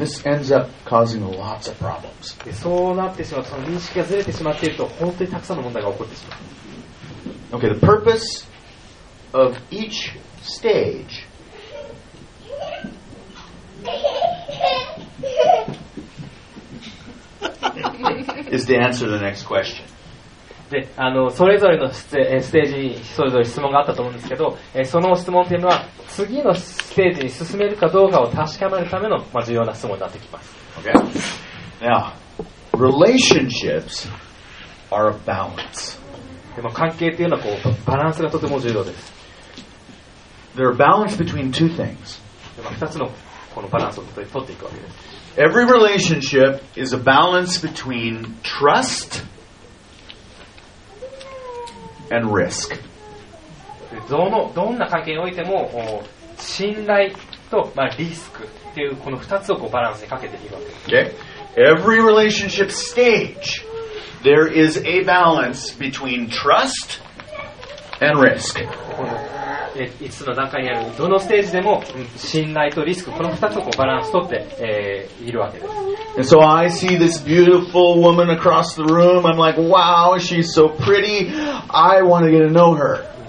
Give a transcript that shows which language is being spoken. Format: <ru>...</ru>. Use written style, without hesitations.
<en>And this ends up causing lots of problems.</en> <ja>でそうなってしまうと認識がずれてしまっていると本当にたくさんの問題が起こってしまう。</ja> <en>Okay, the purpose of each stage is to answer the next question.</en> <ja>であのそれぞれのステージにそれぞれ質問があったと思うんですけど、その質問というのは次のステージに進めるかどうかを確かめるための、まあ、重要な質問になってきます。</ja> <en>Okay. Now, relationships are a balance.</en> <ja>でも関係というのはこうバランスがとても重要です。</ja> <en>There are balance between two things.</en> <ja>でも2つのこのバランスを取っていくわけです。</ja> <en>Every relationship is a balance between trustAnd risk.</en> <ja>どんな関係においても信頼と、まあ、リスクっていうこの2つをこうバランスにかけていくわけです。</ja> <en>Okay. Every relationship stage, there is a balance between trust and risk.</en> <ja>いつの段階にあるどのステージでも信頼とリスクこの2つをこうバランスとって、いるわけです。</ja> <en>And so I see this beautiful woman across the room. I'm like, wow, she's so pretty. I want to get to know her.</en>